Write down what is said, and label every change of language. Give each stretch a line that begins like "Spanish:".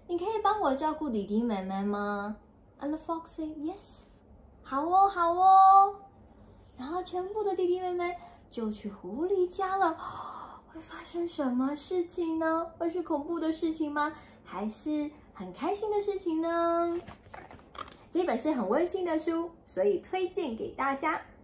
Chinese: 你可以帮我照顾弟弟妹妹吗？
English: And the fox said yes，
Chinese: 好哦。然后全部的弟弟妹妹就去狐狸家了。会发生什么事情呢？会是恐怖的事情吗？还是很开心的事情呢？这本是很温馨的书，所以推荐给大家。